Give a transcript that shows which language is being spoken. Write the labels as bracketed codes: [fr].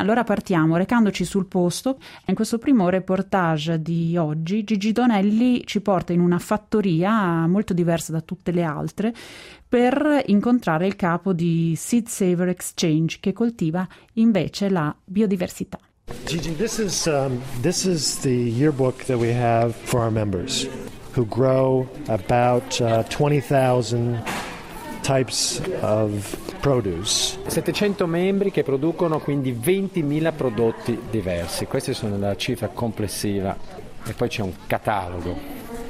[it] Allora partiamo recandoci sul posto. In questo primo reportage di oggi Gigi Donelli ci porta in una fattoria molto diversa da tutte le altre per incontrare il capo di Seed Saver Exchange, che coltiva invece la biodiversità. [en] Gigi, this is the yearbook that we have for our members who grow about 20,000 types of produce. [it] 700 membri che producono quindi 20.000 prodotti diversi. Queste sono la cifra complessiva e poi c'è un catalogo.